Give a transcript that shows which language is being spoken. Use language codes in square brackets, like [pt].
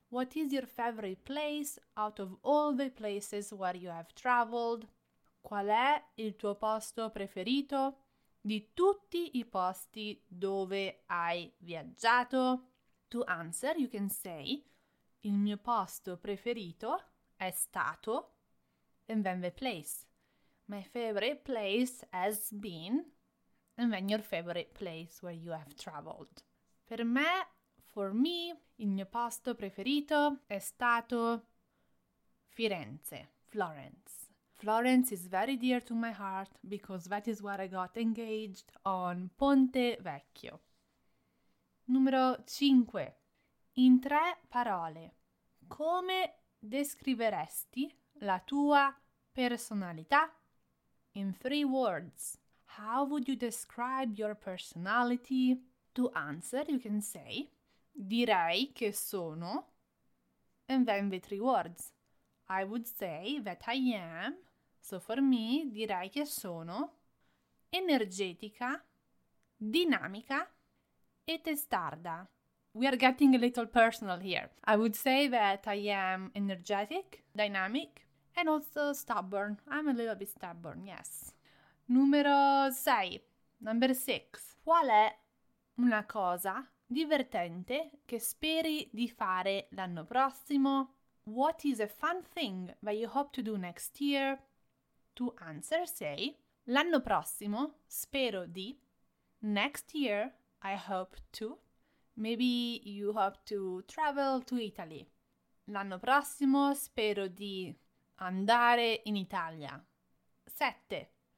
[en] What is your favorite place out of all the places where you have traveled? [it] Qual è il tuo posto preferito di tutti i posti dove hai viaggiato? [en] To answer, you can say, il mio posto preferito è stato, and then the place. My favorite place has been, and then your favorite place where you have traveled. [it] Per me, for me, il mio posto preferito è stato Firenze, Florence. [en] Florence is very dear to my heart because that is where I got engaged on Ponte Vecchio. [it] Numero 5. In tre parole, come descriveresti la tua personalità? [en] In three words, how would you describe your personality? To answer, you can say, direi che sono, and then the three words. I would say that I am, so for me, direi che sono, energetica, dinamica, e testarda. We are getting a little personal here. I would say that I am energetic, dynamic, and also stubborn. I'm a little bit stubborn, yes. Numero 6. Number 6. [it] Qual è una cosa divertente che speri di fare l'anno prossimo? [en] What is a fun thing that you hope to do next year? To answer, say, l'anno prossimo spero di, next year I hope to, maybe you hope to travel to Italy. [it] L'anno prossimo spero di andare in Italia. 7.